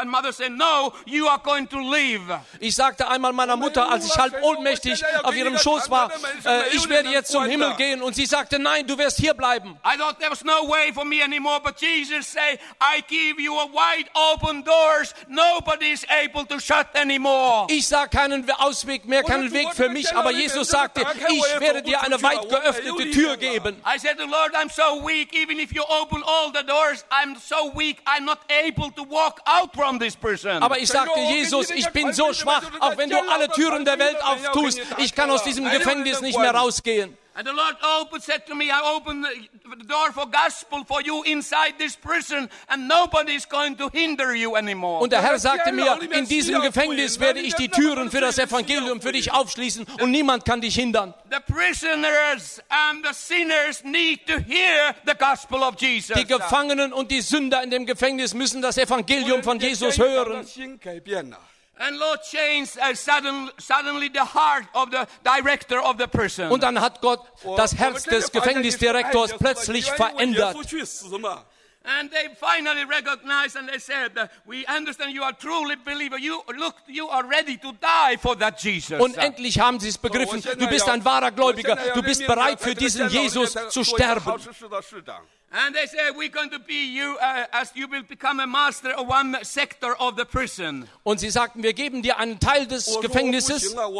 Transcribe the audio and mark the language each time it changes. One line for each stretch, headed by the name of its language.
English: And Mother said, no, you are going to leave.
German: Ich sagte einmal meiner Mutter, als ich halb ohnmächtig auf ihrem Schoß war, ich werde jetzt zum Himmel gehen. Und sie sagte, nein, du wirst hier bleiben.
English: I thought there was no way for me anymore, but Jesus said, I give you a wide open doors, nobody is able to shut anymore.
German: Ich sah keinen Ausweg mehr, keinen Weg für mich, aber Jesus sagte, ich werde dir eine weit geöffnete Tür geben.
English: I said, the Lord, I'm so weak, even if you open all the doors, I'm so weak, I'm not able to walk out from this prison.
German: Aber ich sagte, Jesus, ich bin so schwach, auch wenn du alle Türen der Welt auftust, ich kann aus diesem Gefängnis nicht mehr rausgehen.
English: And the Lord opened, said to me, I open the door for gospel for you inside this prison and nobody is going to hinder you anymore.
German: Und der Herr sagte mir, in diesem Gefängnis werde ich die Türen für das Evangelium für dich aufschließen und niemand kann dich hindern.
English: The prisoners and the sinners need to hear the gospel of Jesus.
German: Die Gefangenen und die Sünder in dem Gefängnis müssen das Evangelium von Jesus hören.
English: And Lord changed suddenly the heart of the director of the prison.
German: Und dann hat Gott das Herz des Gefängnisdirektors plötzlich verändert.
English: And they finally recognized and they said, we understand you are truly believer. You look, you are ready to die for that Jesus.
German: Und endlich haben sie es begriffen. Du bist ein wahrer Gläubiger. Du bist bereit für diesen Jesus zu sterben.
English: And they say we're going to be you as you will become a master of one sector of the prison.
German: Und sie sagten, wir geben dir einen Teil des Gefängnisses.